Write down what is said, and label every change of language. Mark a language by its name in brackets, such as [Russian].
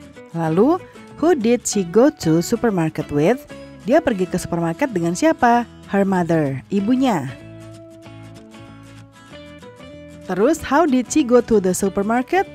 [English] Lalu, who did she go to supermarket with? [Indonesian] Dia pergi ke supermarket dengan siapa? [English] Her mother, [Indonesian] ibunya. [English] Terus, how did she go to the supermarket?